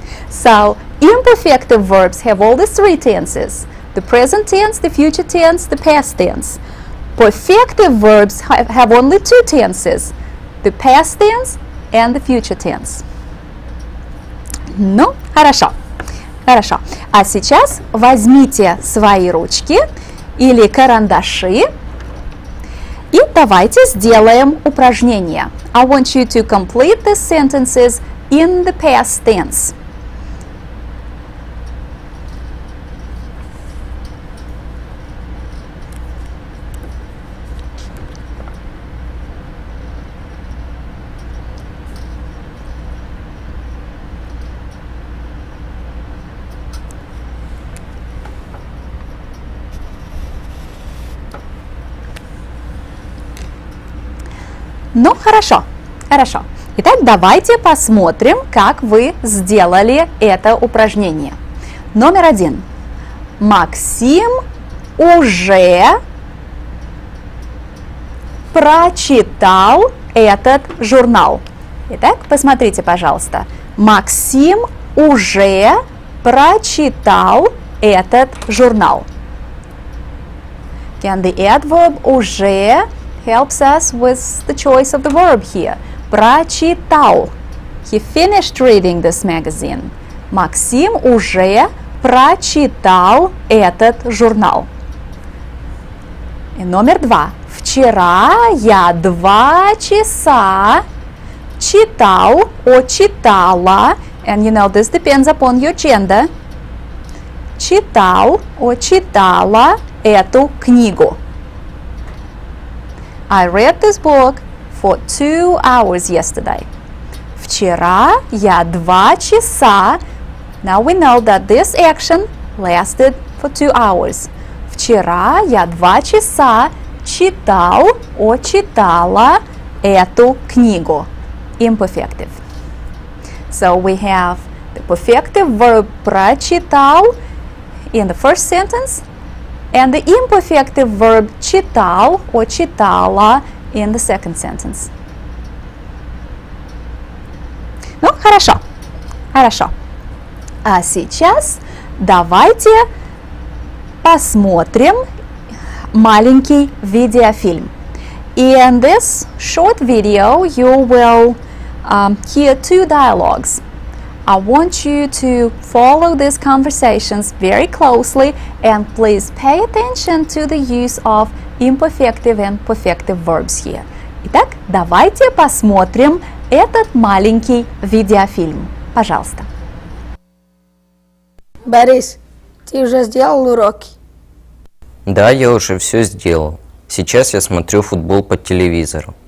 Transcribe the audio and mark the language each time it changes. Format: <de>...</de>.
<en>So imperfective verbs have all the three tenses: the present tense, the future tense, the past tense. Perfective verbs have only two tenses, the past tense and the future tense.</en> <ru>Ну, хорошо. Хорошо. А сейчас возьмите свои ручки или карандаши и давайте сделаем упражнение.</ru> <en>I want you to complete the sentences in the past tense.</en> <ru>Ну, хорошо, хорошо. Итак, давайте посмотрим, как вы сделали это упражнение. Номер один. Максим уже прочитал этот журнал. Итак, посмотрите, пожалуйста. Максим уже прочитал этот журнал.</ru> <en>Can the adverb уже helps us with the choice of the verb here.</en> <ru>Прочитал.</ru> <en>He finished reading this magazine.</en> <ru>Максим уже прочитал этот журнал. И номер два. Вчера я 2 часа читал, or читала.</ru> <en>And you know, this depends upon your gender.</en> <ru>Читал, or читала эту книгу.</ru> <en>I read this book for 2 hours yesterday.</en> <ru>Вчера я 2 часа.</ru> <en>Now we know that this action lasted for 2 hours.</en> <ru>Вчера я 2 часа читал, or читала эту книгу.</ru> <en>Imperfective. So we have the perfective verb прочитал in the first sentence, and the imperfective verb читал or читала in the second sentence.</en> <ru>Ну, хорошо. Хорошо. А сейчас давайте посмотрим маленький видеофильм.</ru> <en>In this short video, you will hear 2 dialogues. I want you to follow these conversations very closely and please pay attention to the use of imperfective and perfective verbs here.</en> <ru>Итак, давайте посмотрим этот маленький видеофильм. Пожалуйста. Борис, ты уже сделал уроки? Да, я уже все сделал. Сейчас я смотрю футбол по телевизору.</ru>